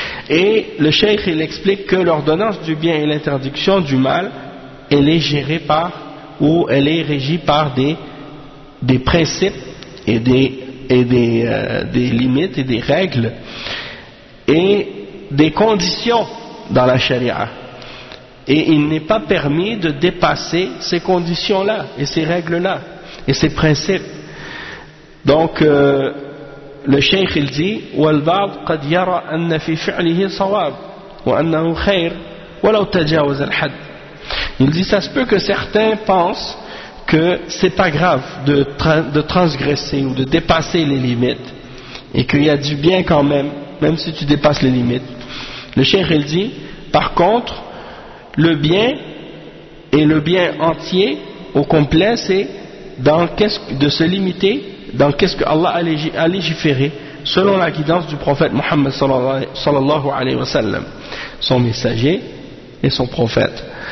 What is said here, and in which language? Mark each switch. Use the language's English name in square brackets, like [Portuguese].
[French] Et le cheikh, il explique que l'ordonnance du bien et l'interdiction du mal, elle est gérée par, ou elle est régie par des principes et des limites et des règles. Et des conditions dans la charia. Et il n'est pas permis de dépasser ces conditions-là, et ces règles-là, et ces principes. Donc, le cheikh, il dit, [Arabic] وَالْبَعْضُ قَدْ يَرَى أَنَّ فِي فِعْلِهِ صَوَابٌ وَأَنَّهُ خَيْرٌ وَلَوْ تَجَاوَزَ الْحَدِ. [French] Il dit, ça se peut que certains pensent que c'est pas grave de transgresser ou de dépasser les limites, et qu'il y a du bien quand même, même si tu dépasses les limites. Le cheikh il dit, par contre, le bien, et le bien entier, au complet, c'est de se limiter dans qu'est-ce que Allah a légiféré, selon la guidance du prophète Muhammad sallallahu alayhi wa sallam, son messager et son prophète.